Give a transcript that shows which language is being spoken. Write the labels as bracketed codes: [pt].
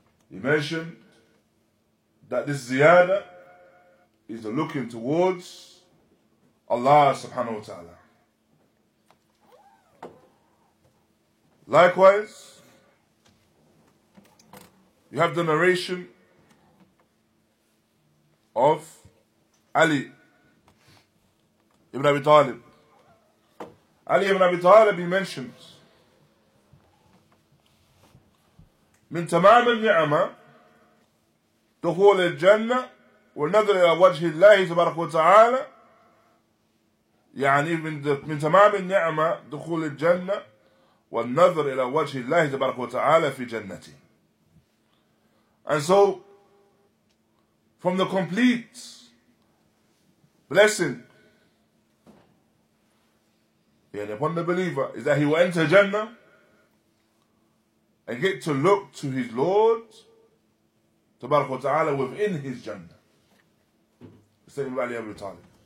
[en] He mentioned that this ziyadah is the looking towards Allah subhanahu wa ta'ala. Likewise, you have the narration of Ali ibn Abi Talib. Ali ibn Abi Talib, he mentions, [ar] من تمام النعمة دخول الجنة والنظر إلى وجه الله تبارك وتعالى. يعني من تمام النعمة دخول الجنة والنظر إلى وجه الله تبارك وتعالى في جنته. [en] And so, from the complete blessing upon the believer is that he will enter Jannah and get to look to his Lord, tabarak wa ta'ala, within his Jannah. The same with Ali Abu Talib.